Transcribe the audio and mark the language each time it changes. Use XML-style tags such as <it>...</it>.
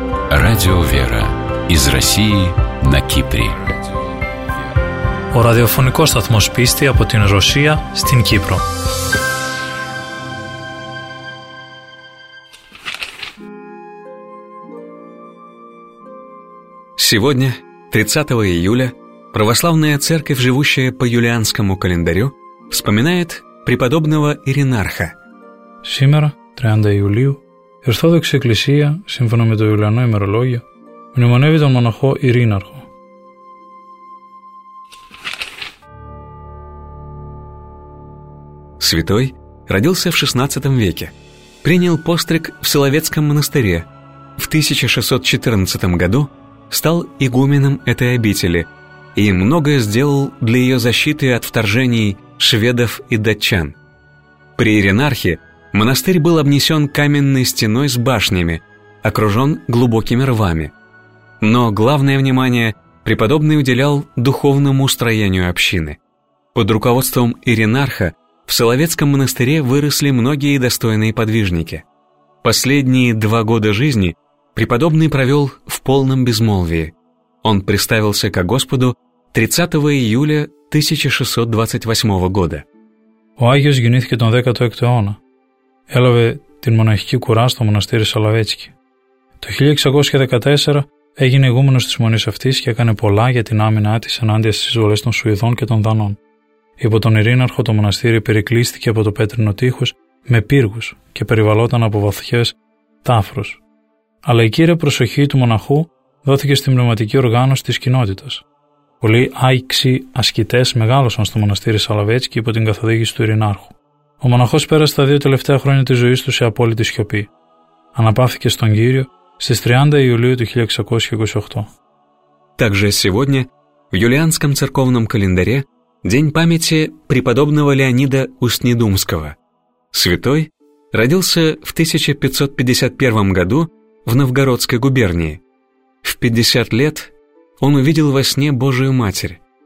<ru>Радио «Вера» из России на Кипре.</ru> <el>Ο ραδιοφωνικός σταθμός πίστη από την Ρωσία στην Κύπρο.</el> <ru>Сегодня, 30 июля, православная церковь, живущая по юлианскому календарю, вспоминает преподобного Иринарха. Сегодня, 30 июля,</ru> <el>Ορθόδοξη Εκκλησία, σύμφωνα με το Ιουλιανό ημερολόγιο, μνημονεύει τον μοναχό Ειρήναρχο.</el> <ru>Святой родился в XVI веке, принял постриг в Соловецком монастыре. В 1614 году стал игуменом этой обители и многое сделал для ее защиты от вторжений шведов и датчан. При Иринархе монастырь был обнесен каменной стеной с башнями, окружен глубокими рвами. Но главное внимание преподобный уделял духовному устроению общины. Под руководством Иринарха в Соловецком монастыре выросли многие достойные подвижники. Последние два года жизни преподобный провел в полном безмолвии. Он представился ко Господу 30 июля 1628 года.</ru> <el>Ο Άγιος γεννήθηκε τον 16ο αιώνα. Έλαβε την μοναχική κουρά στο μοναστήρι Σολοβέτσκι. Το 1614 έγινε ηγούμενος της μονής αυτής και έκανε πολλά για την άμυνά της ενάντια στις εισβολές των Σουηδών και των Δανών. Υπό τον Ειρήναρχο το μοναστήρι περικλείστηκε από το πέτρινο τείχος με πύργους και περιβαλλόταν από βαθιές τάφρους. Αλλά η κύρια προσοχή του μοναχού δόθηκε στην πνευματική οργάνωση της κοινότητας. Πολλοί άϊξοι ασκητές μεγάλωσαν στο μοναστήρι Σολοβέτσκι υπό την καθοδήγηση του Ειρήναρχου. Ο μοναχός πέρασε τα δύο τελευταία χρόνια της ζωής του σε απόλυτη σιωπή. Αναπάθηκε στον Κύριο στις 30 Ιουλίου του 1628.</el> <ru>Также сегодня в юлианском церковном календаре день памяти преподобного Леонида Устнедумского. Святой родился в 1551 году в Новгородской губернии. В 50 лет он увидел во сне Божию Матерь.</ru>